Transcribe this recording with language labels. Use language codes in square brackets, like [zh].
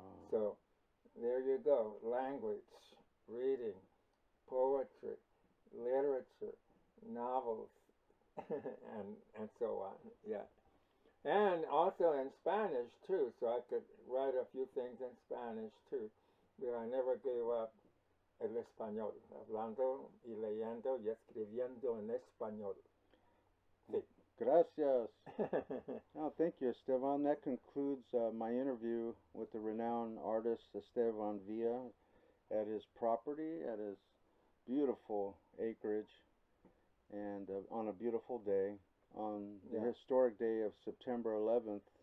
[en] So there you go, language, reading, poetry, literature, novels, and so on, yeah. And also in Spanish too, so I could write a few things in Spanish too. I never gave up [es] el español, hablando y leyendo y escribiendo en español. Sí. Gracias. [en] Oh, thank you, Esteban. That concludes my interview with the renowned artist Esteban Villa at his property, at his beautiful acreage, and on a beautiful day, on the historic day of September 11th.